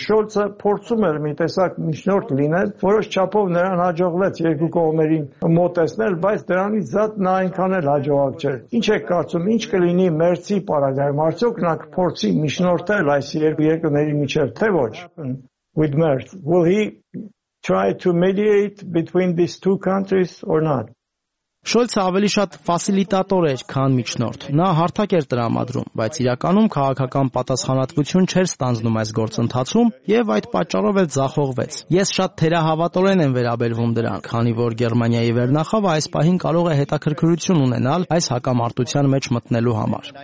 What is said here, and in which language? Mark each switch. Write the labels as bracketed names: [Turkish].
[Armenian] Շոլցը փորձում էր մի տեսակ միջնորդ լինել, որոշ չափով նրան հաջողվեց երկու կողմերին մտածնել, բայց դրանից զատ նա այնքան էլ հաջողակ չէր։ Ինչ եք կարծում, ինչ կլինի Մերցի պարագայում, արդյոք նա կփորձի միջնորդել այս երկու երկրների միջև, թե ոչ? [English] With Merz, will he try to mediate between these two countries or not? [Armenian] Շոլցը ավելի շատ ֆասիլիտատոր էր, քան միջնորդ։ Նա հարթակ էր տրամադրում, բայց իրականում քաղաքական պատասխանատվություն չէր ստանձնում այս գործընթացում, և այդ պատճառով էլ զախողվեց։ Ես շատ թերահավատորեն եմ վերաբերվում դրան, քանի որ Գերմանիայի վերնախավը այս պահին կարող է հետաքրքրություն ունենալ այս հակամարտության մեջ մտնելու համար։